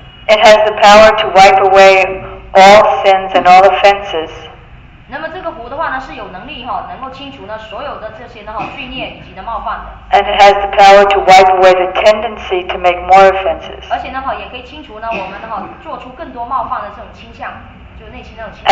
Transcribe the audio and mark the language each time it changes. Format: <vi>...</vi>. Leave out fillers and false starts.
<en>It has the power to wipe away all sins and all offenses.</en> <zh>那么这个湖的话呢，是有能力哈，能够清除呢所有的这些呢哈罪孽以及的冒犯的。</zh> <en>And it has the power to wipe away the tendency to make more offenses.</en> <zh>而且呢哈，也可以清除呢我们哈做出更多冒犯的这种倾向，就内心那种倾向。</zh>